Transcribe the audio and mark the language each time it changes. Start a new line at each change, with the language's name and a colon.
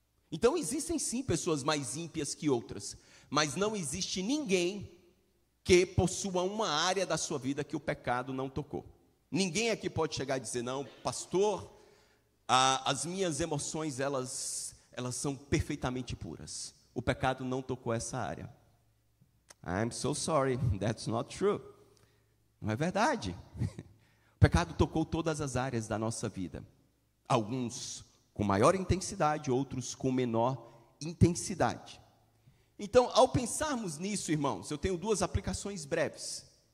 Portuguese: Então, existem, sim, pessoas mais ímpias que outras, mas não existe ninguém que possua uma área da sua vida que o pecado não tocou. Ninguém aqui pode chegar e dizer, não, pastor, as minhas emoções, elas são perfeitamente puras. O pecado não tocou essa área.
English: I'm so sorry, that's not true.
Portuguese: Não é verdade. O pecado tocou todas as áreas da nossa vida. Alguns com maior intensidade, outros com menor intensidade. Então, ao pensarmos nisso, irmãos, eu tenho duas aplicações breves.